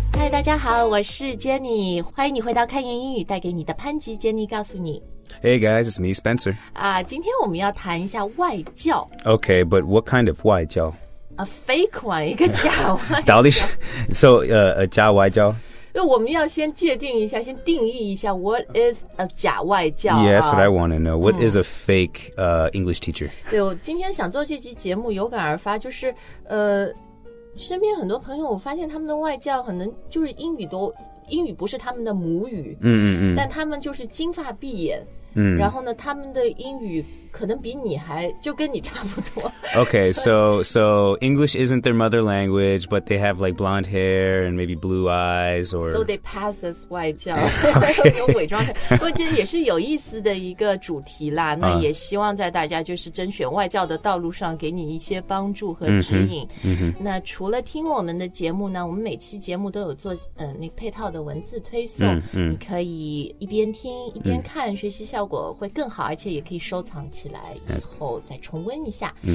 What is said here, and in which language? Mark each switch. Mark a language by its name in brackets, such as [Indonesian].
[Chinese] 大家好，我是 Jenny， 欢迎你回到开言英语带给你的潘吉 Jenny 告诉你。 [English] Hey guys, it's me, Spencer. [Chinese] 今天我们要谈一下外教。 [English] Okay, but what kind of 外教？ A fake one, [Chinese] 一个假外教。到底是 [English] so, a [Chinese] 假外教？那我们要先界定一下，先定义一下 [English] what is a [Chinese] 假外教。 [English] Yes, what I want to know. What is a fake English teacher? [Chinese] 对，我今天想做这期节目，有感而发，就是身边很多朋友我发现他们的外教可能就是英语不是他们的母语，但他们就是金发碧眼，然后呢他们的英语可能比你还就跟你差不多。 [English] Okay, so English isn't their mother language, but they have like blonde hair and maybe blue eyes, or so they pass as 外教、 okay. [Chinese] 有伪装成，不过这也是有意思的一个主题啦。那也希望在大家就是甄选外教的道路上给你一些帮助和指引。那除了听我们的节目呢，我们每期节目都有做那配套的文字推送，你可以一边听一边看，学习效果会更好，而且也可以收藏起来以后再重温一下。